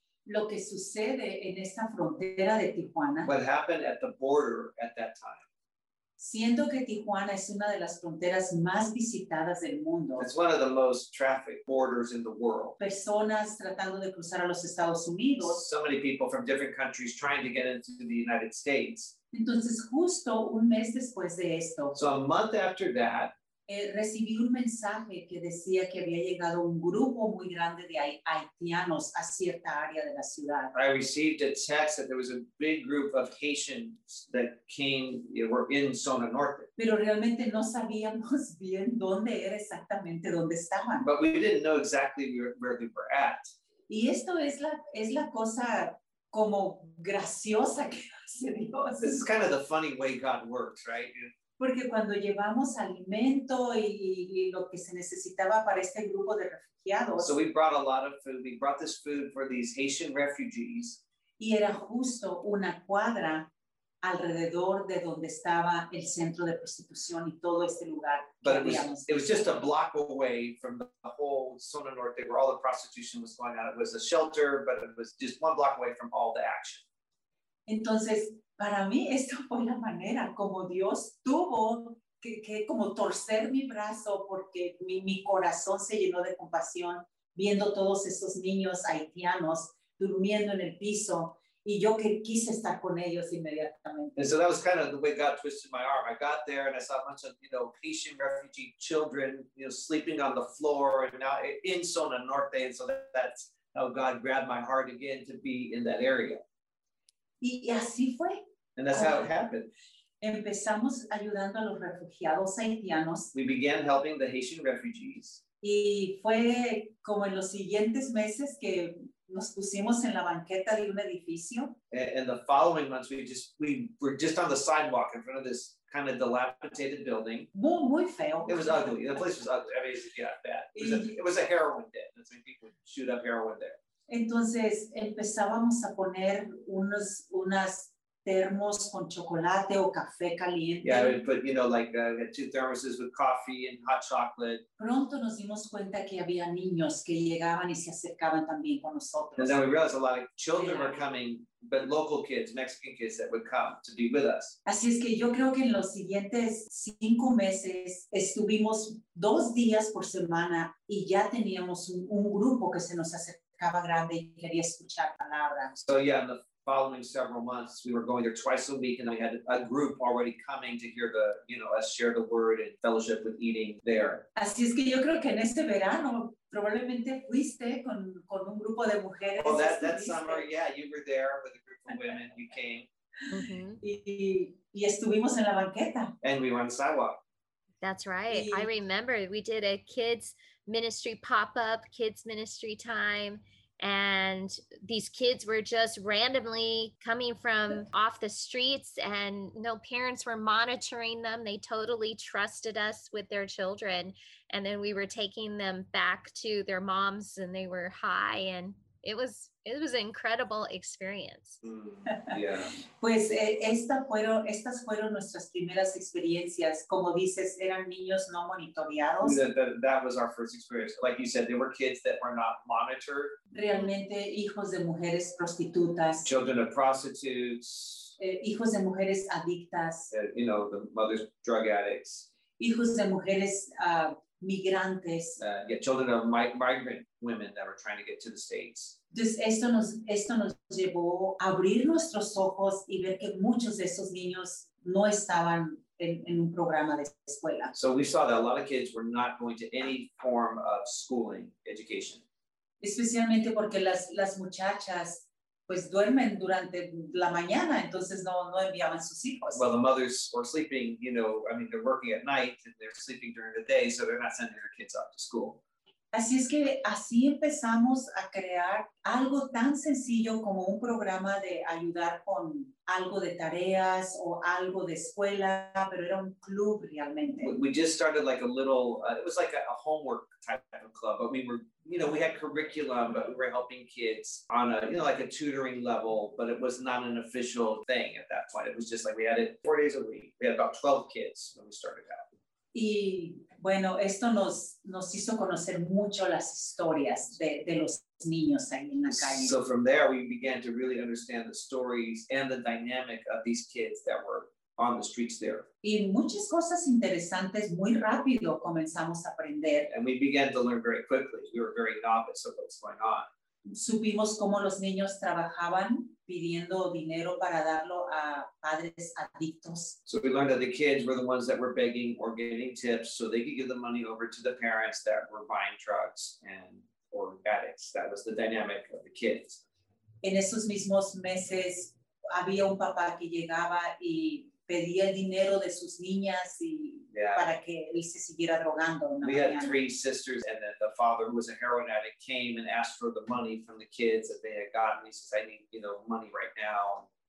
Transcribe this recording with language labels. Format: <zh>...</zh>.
<es>Lo que sucede en esta frontera de Tijuana.</es> <en>What happened at the border at that time.</en> <es>Siento que Tijuana es una de las fronteras más visitadas del mundo.</es> <en>It's one of the most trafficked borders in the world.</en> <es>Personas tratando de cruzar a los Estados Unidos.</es> <en>So many people from different countries trying to get into the United States.</en> <es>Entonces, justo un mes después de esto.</es> <en>So a month after that.</en> <es>Recibí un mensaje que decía que había llegado un grupo muy grande de haitianos a cierta área de la ciudad.</es> <en>I received a text that there was a big group of Haitians that came, you know, were in Zona Norte.</en> <es>Pero realmente no sabíamos bien dónde era exactamente donde estaban.</es> <en>But we didn't know exactly where they were at.</en> <es>Y esto es la cosa como graciosa que hace Dios.</es> <en>This is kind of the funny way God works, right?</en> <es>Porque cuando llevamos alimento y lo que se necesitaba para este grupo de refugiados.</es> <en>So we brought a lot of food. We brought this food for these Haitian refugees.</en> <es>Y era justo una cuadra alrededor de donde estaba el centro de prostitución y todo este lugar.</es> <en>But</en> <es>que habíamos.</es> <en>It was just a block away from the whole Zona Norte where all the prostitution was going on. It was a shelter, but it was just one block away from all the action.</en> <es>Entonces, para mí, esta fue la manera como Dios tuvo que como torcer mi brazo porque mi corazón se llenó de compasión viendo todos esos niños haitianos durmiendo en el piso y yo que quise estar con ellos inmediatamente.</es> <en>And so that was kind of the way God twisted my arm. I got there and I saw a bunch of, you know, Haitian refugee children, you know, sleeping on the floor and now in Zona Norte. And so that's how God grabbed my heart again to be in that area.</en> <es>Y así fue.</es> <en>And that's how it happened.</en> <es>Empezamos ayudando a los refugiados haitianos.</es> <en>We began helping the Haitian refugees.</en> <es>Y fue como en los siguientes meses que nos pusimos en la banqueta de un edificio.</es> <en>And the following months, we were just on the sidewalk in front of this kind of dilapidated building.</en> <es>Muy, muy feo.</es> <en>It was ugly. The place was ugly. I mean, yeah, bad. It was a heroin den. That's when people shoot up heroin there.</en> <es>Entonces empezábamos a poner unas termos con chocolate o café caliente.</es> <en>Yeah, we put, you know, like two thermoses with coffee and hot chocolate.</en> <es>Pronto nos dimos cuenta que había niños que llegaban y se acercaban también con nosotros.</es> <en>And then we realized a lot of children were coming, but local kids, Mexican kids that would come to be with us.</en> <es>Así es que yo creo que en los siguientes 5 meses estuvimos 2 días por semana y ya teníamos un grupo que se nos acercaba grande y quería escuchar palabras.</es> <en>So yeah, the following several months, we were going there twice a week, and we had a group already coming to hear the, you know, us share the word and fellowship with eating there.</en> <es>Así es que yo creo que en este verano probablemente fuiste con un grupo de mujeres.</es> <en>Oh, that summer, yeah, you were there with a group of women. You came.</en> <es>Mm-hmm. Y estuvimos en la banqueta.</es> <en>And we were on the sidewalk. That's right. I remember we did a kids ministry pop-up, kids ministry time. And these kids were just randomly coming from off the streets and no parents were monitoring them. They totally trusted us with their children. And then we were taking them back to their moms and they were high. And it was an incredible experience. Mm, yeah.</en> <es>Pues estas fueron nuestras primeras experiencias. Como dices, eran niños no monitoreados.</es> <en>That was our first experience. Like you said, they were kids that were not monitored.</en> <es>Realmente hijos de mujeres prostitutas.</es> <en>Children of prostitutes.</en> <es>Hijos de mujeres adictas.</es> <en>You know, the mothers, drug addicts.</en> <es>Hijos de mujeres migrantes.</es> <en>Yeah, children of migrant women that were trying to get to the States.</en> <es>Entonces esto nos llevó a abrir nuestros ojos y ver que muchos de esos niños no estaban en un programa de escuela.</es> <en>So we saw that a lot of kids were not going to any form of schooling education.</en> <es>Especialmente porque las muchachas pues duermen durante la mañana, entonces no enviaban sus hijos.</es> <en>Well, the mothers were sleeping, you know, I mean, they're working at night and they're sleeping during the day, so they're not sending their kids off to school.</en> <es>Así es que así empezamos a crear algo tan sencillo como un programa de ayudar con algo de tareas o algo de escuela, pero era un club realmente.</es> <en>We just started like a little, it was like a homework type of club. I mean, we had curriculum, but we were helping kids on a, you know, like a tutoring level, but it was not an official thing at that point. It was just like we had it 4 days a week. We had about 12 kids when we started out.</en> <es>Y bueno, esto nos hizo conocer mucho las historias de los niños ahí en la calle.</es> <en>So from there, we began to really understand the stories and the dynamic of these kids that were on the streets there.</en> <es>Y muchas cosas interesantes muy rápido comenzamos a aprender.</es> <en>And we began to learn very quickly. We were very novice of what's going on.</en> <es>Supimos cómo los niños trabajaban pidiendo dinero para darlo a padres adictos.</es> <en>So we learned that the kids were the ones that were begging or getting tips so they could give the money over to the parents that were buying drugs and or addicts. That was the dynamic of the kids.</en> <es>En esos mismos meses, había un papá que llegaba y pedía el dinero de sus niñas y para que él se siguiera drogando.</es> <en>We had three sisters and then the father who was a heroin addict came and asked for the money from the kids that they had gotten. He says, I need, you know, money right now.</en>